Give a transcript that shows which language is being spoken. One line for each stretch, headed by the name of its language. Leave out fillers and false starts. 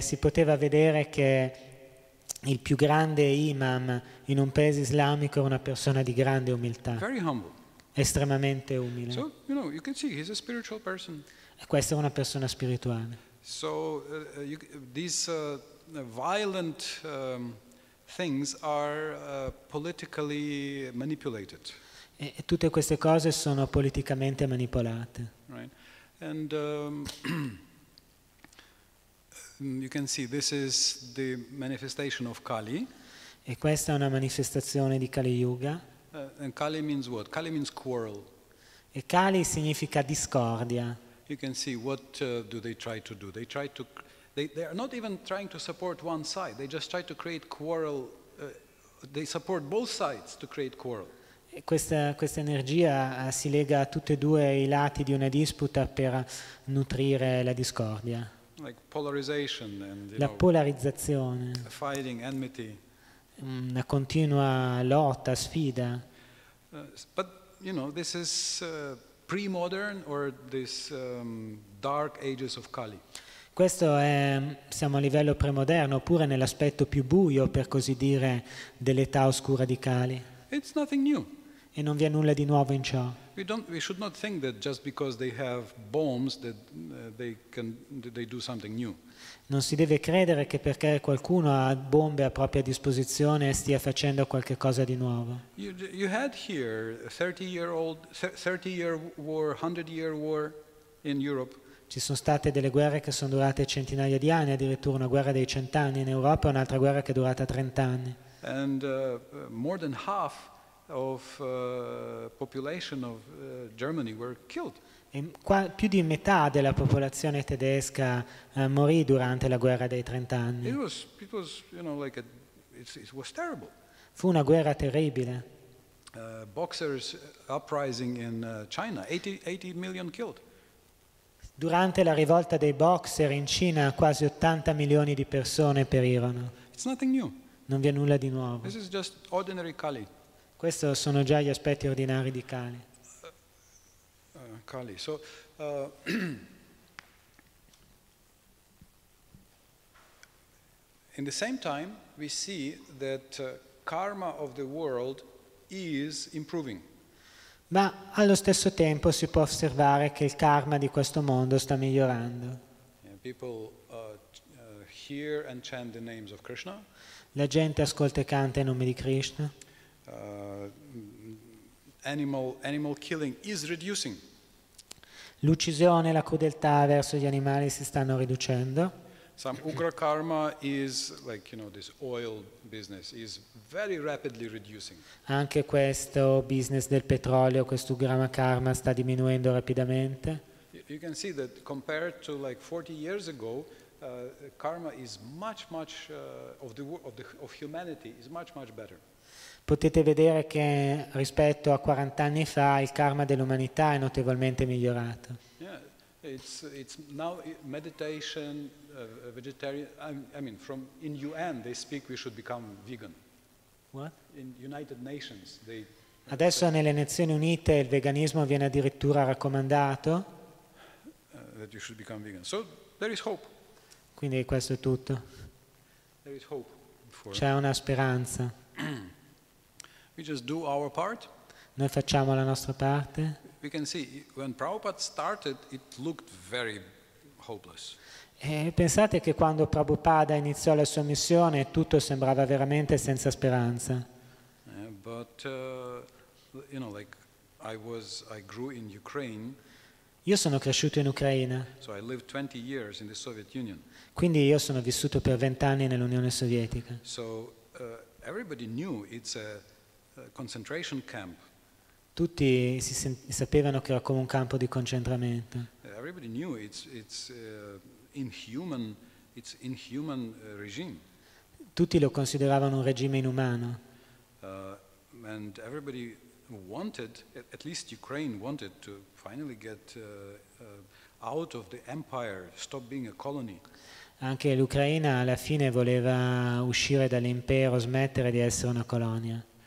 Italian: si poteva vedere che il più grande imam in un paese islamico era una persona di grande umiltà. Estremamente umile.
English: So, you know, you can see he's a spiritual person.
Italian: E questa è una persona spirituale.
English: So these violent things are politically manipulated.
Italian: E tutte queste cose sono politicamente manipolate.
English: Right. And you can see this is the manifestation of Kali.
Italian: E questa è una manifestazione di Kali Yuga.
English: And Kali means what? Kali means quarrel.
Italian: E Kali significa discordia.
English: You can see what do they try to do. They try to, they are not even trying to support one side. They just try to create quarrel. They support both sides to create quarrel.
Italian: E questa energia si lega a tutte e due i lati di una disputa per nutrire la discordia.
English: Like polarization and, you
Italian: la
English: know,
Italian: polarizzazione.
English: Fighting, enmity.
Italian: Una continua lotta, sfida.
English: But you know, this is pre-modern or this dark ages of Kali.
Italian: Questo è, siamo a livello premoderno oppure nell'aspetto più buio, per così dire, dell'età oscura di Kali.
English: It's nothing new.
Italian: E non vi è nulla di nuovo in ciò.
English: We should not think that just because they have bombs that they do something new.
Italian: Non si deve credere che perché qualcuno ha bombe a propria disposizione stia facendo qualche cosa di nuovo.
English: You had here a 30-year war, 100-year war in Europe.
Italian: Ci sono state delle guerre che sono durate centinaia di anni, addirittura una guerra dei 100 anni in Europa e un'altra guerra che è durata 30 anni.
English: And more than half of population of Germany were killed.
Italian: Più di metà della popolazione tedesca morì durante la guerra dei 30 anni.
English: It was, you know, like it was terrible.
Italian: Fu una guerra terribile.
English: Boxers uprising in China, 80 million killed.
Italian: Durante la rivolta dei boxer in Cina quasi 80 milioni di persone perirono.
English: It's nothing new.
Italian: Non vi è nulla di nuovo.
English: This is just ordinary Kali.
Italian: Questi sono già gli aspetti ordinari di Kali. Kali.
English: So in the same time we see that karma of the world is improving.
Italian: Ma allo stesso tempo si può osservare che il karma di questo mondo sta migliorando.
English: Yeah, people hear and chant the names of Krishna.
Italian: La gente ascolta e canta i nomi di Krishna.
English: Animal killing is reducing.
Italian: L'uccisione e la crudeltà verso gli animali si stanno riducendo.
English: Some ugra karma is like, you know, this oil business is very rapidly reducing.
Italian: Anche questo business del petrolio, questo ugra karma sta diminuendo rapidamente.
English: You can see that compared to like 40 years ago, karma is much of humanity is much better.
Italian: Potete vedere che rispetto a 40 anni fa il karma dell'umanità è notevolmente migliorato.
English: It's now meditation, vegetarian. I mean, from in UN they speak we should become vegan. What? In United Nations they.
Italian: Adesso nelle Nazioni Unite il veganismo viene addirittura raccomandato.
English: That you should become vegan. So there is hope.
Italian: Quindi questo è tutto.
English: There is hope.
Italian: C'è una speranza.
English: We just do our part.
Italian: Noi facciamo la nostra parte.
English: We can see when Prabhupada started it looked very hopeless.
Italian: E pensate che quando Prabhupada iniziò la sua missione tutto sembrava veramente senza speranza.
English: But you know, like I grew in Ukraine.
Italian: Io sono cresciuto in Ucraina.
English: So I lived 20 years in the Soviet Union.
Italian: Quindi io sono vissuto per 20 anni nell'Unione Sovietica.
English: So everybody knew it's a concentration camp.
Italian: Tutti sapevano che era come un campo di concentramento.
English: Everybody knew it's inhuman regime.
Italian: Tutti lo consideravano un regime inumano.
English: And everybody wanted, at least Ukraine wanted to finally get out of the empire, stop being a colony.
Italian: Anche l'Ucraina alla fine voleva uscire dall'impero, smettere di essere una colonia.